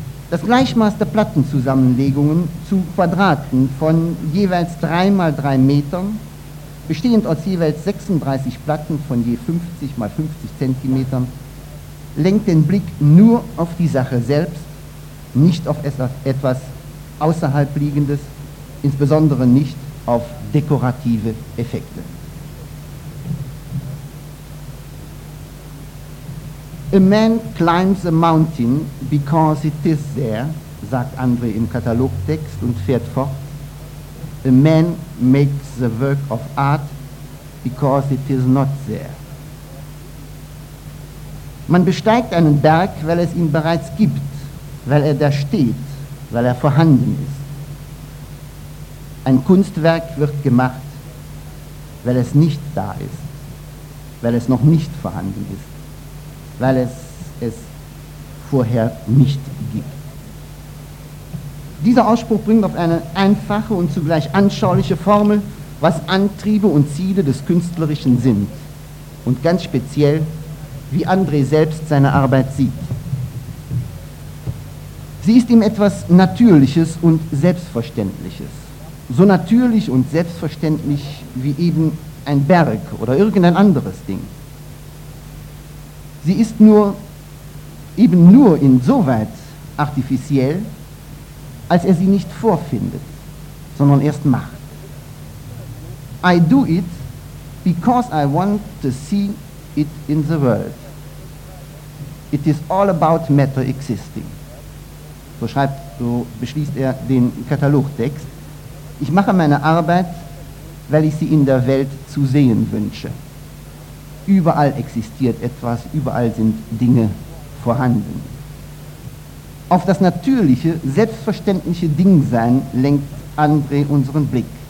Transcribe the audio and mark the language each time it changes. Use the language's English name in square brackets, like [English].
[German] Das Gleichmaß der Plattenzusammenlegungen zu Quadraten von jeweils 3 x 3 Metern, bestehend aus jeweils 36 Platten von je 50 x 50 Zentimetern, lenkt den Blick nur auf die Sache selbst, nicht auf etwas außerhalb Liegendes, insbesondere nicht auf dekorative Effekte. [English] A man climbs a mountain because it is there, [German] sagt André im Katalogtext und fährt fort. [English] A man makes a work of art because it is not there. [German] Man besteigt einen Berg, weil es ihn bereits gibt, weil er da steht, weil er vorhanden ist. Ein Kunstwerk wird gemacht, weil es nicht da ist. weil es noch nicht vorhanden ist, weil es es vorher nicht gibt. Dieser Ausspruch bringt auf eine einfache und zugleich anschauliche Formel, was Antriebe und Ziele des Künstlerischen sind und ganz speziell, wie André selbst seine Arbeit sieht. Sie ist ihm etwas Natürliches und Selbstverständliches. So natürlich und selbstverständlich wie eben ein Berg oder irgendein anderes Ding. Sie ist nur, eben nur insoweit artifiziell, als er sie nicht vorfindet, sondern erst macht. [English] I do it because I want to see it in the world. It is all about matter existing. [German] So schreibt, so beschließt er den Katalogtext. Ich mache meine Arbeit, weil ich sie in der Welt zu sehen wünsche. Überall existiert etwas, überall sind Dinge vorhanden. Auf das natürliche, selbstverständliche Dingsein lenkt André unseren Blick.